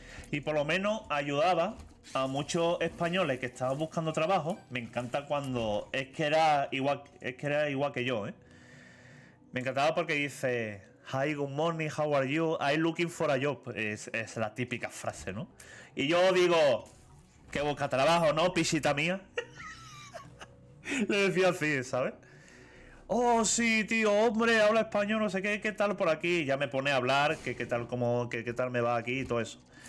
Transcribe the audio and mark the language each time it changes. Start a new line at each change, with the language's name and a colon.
Spanish: Y por lo menos ayudaba a muchos españoles que estaban buscando trabajo. Me encanta cuando es que era igual que yo, ¿eh? Me encantaba porque dice,
English: "Hi, good morning, how are you? I'm looking for a job."
Spanish: Es la típica frase, ¿no? Y yo digo, "¿Qué busca trabajo, no, pisita mía?" Le decía así, ¿sabes? Oh, sí, tío, hombre, habla español, no sé qué, ¿qué tal por aquí? Ya me pone a hablar, qué tal me va aquí y todo eso.